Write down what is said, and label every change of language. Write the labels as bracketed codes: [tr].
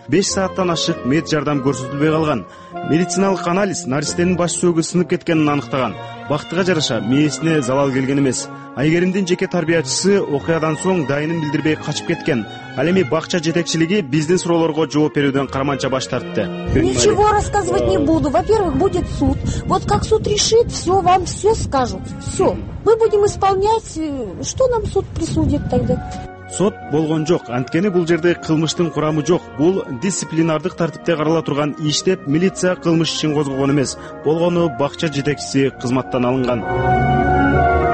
[ky] 5 сааттан ашык мед жардам көрсөтүлбөй калган. Медициналык анализ наристенин баш сөөгү сынып кеткенин аныктаган. Бактыга жараша мээсине залал келген эмес. Айгеримдин жеке тарбиячысы окуядан соң дайынын билдирбей качып кеткен. Ал эми бакча жетекчилиги биздин суроолорго жооп берүүдөн караманча баш тартты. [ru] Ничего рассказывать не буду. Во-первых, будет суд. Вот как суд решит, все, вам все скажут. Все. Мы будем исполнять, что нам суд присудит тогда. [ky] Сот болгон жок, анткени бул жерде кылмыштын курамы жок. Бул дисциплинардык тартипте карала турган иш деп милиция кылмыш ишин козгогон эмес. Болгону бакча жетекчиси кызматтан алынган.